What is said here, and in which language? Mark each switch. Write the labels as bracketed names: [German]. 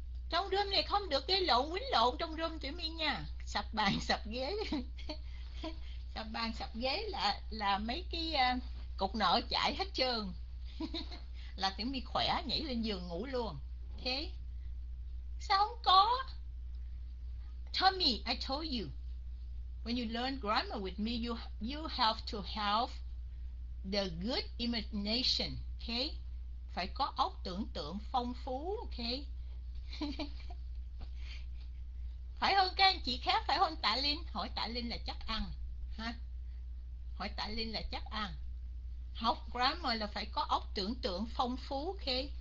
[Vietnamese] Trong room này không được gây lộn, quýnh lộn trong room tụi mình nha. Sập bàn, sập ghế. Sập bàn, sập ghế là mấy cái cục nợ chảy hết trơn. Là tiếng mi khỏe nhảy lên giường ngủ luôn. Thế sao không có Tommy, [English] I told you when you learn grammar with me you have to have the good imagination, okay? [Vietnamese] Phải có óc tưởng tượng phong phú, okay? Phải không các anh chị khác, phải không Tạ Linh? Hỏi Tạ Linh là chắc ăn ha, hỏi Tạ Linh là chắc ăn. Học grammar là phải có óc tưởng tượng phong phú, ok?